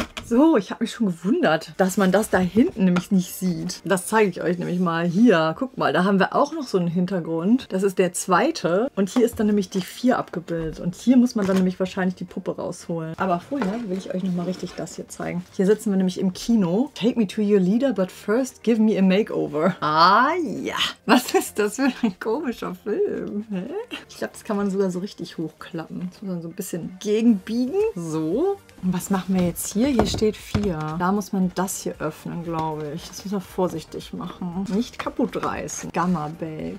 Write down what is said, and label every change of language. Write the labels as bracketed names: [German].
[German] So, ich habe mich schon gewundert, dass man das da hinten nämlich nicht sieht. Das zeige ich euch nämlich mal hier. Guck mal, da haben wir auch noch so einen Hintergrund. Das ist der 2. Und hier ist dann nämlich die 4 abgebildet. Und hier muss man dann nämlich wahrscheinlich die Puppe rausholen. Aber vorher will ich euch nochmal richtig das hier zeigen. Hier sitzen wir nämlich im Kino. [English] Take me to your leader, but first give me a makeover. [German] Ah ja. Was ist das für ein komischer Film? Hä? Ich glaube, das kann man sogar so richtig hochklappen. Das muss man so ein bisschen gegenbiegen. So. Und was machen wir jetzt hier? Hier steht 4. Da muss man das hier öffnen, glaube ich. Das muss man vorsichtig machen. Nicht kaputt reißen. Gamma Babe.